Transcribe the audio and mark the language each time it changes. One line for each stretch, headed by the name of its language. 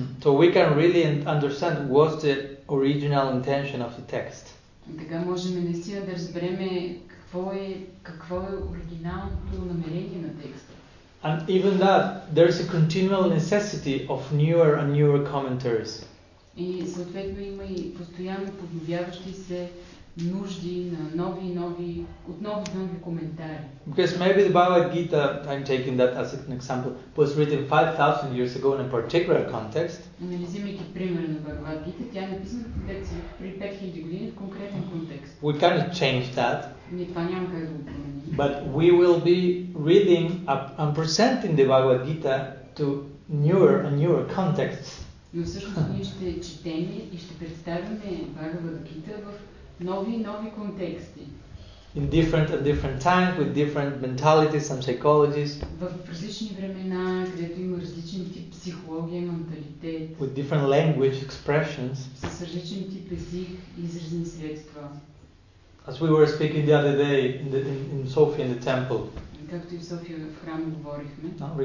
English: So we can really understand what's the original intention of the text.
Bulgarian: Така можем наистина да разберем какво е оригиналното намерение на текста.
English: And even that, there is a continual necessity of newer and newer commentaries.
Bulgarian: И съответно има и постоянно подновяващи се нужди на нови и нови, отново нови коментари.
English: Because maybe the Bhagavad Gita, I'm taking that as an example, was written 5,000 years ago in a particular context.
Bulgarian: Анализирайки пример на Бхагавад Гита, тя е написана при 5000 години в конкретен контекст.
English: We cannot change that.
Bulgarian: Ние това няма как да го променим.
English: But we will be reading up and presenting the Bhagavad Gita to newer and newer contexts.
Bulgarian: Но всъщност ние ще четем и ще представяме Бхагавад Гита в нови и нови контексти.
English: In different and different times with different mentalities and psychologies.
Bulgarian: В различни времена, където има различен тип психология, менталитет.
English: With different language expressions.
Bulgarian: С различен тип език и изразни средства.
English: As we were speaking the other day in Sofia in the temple.
Bulgarian: Както и в София в храма говорихме.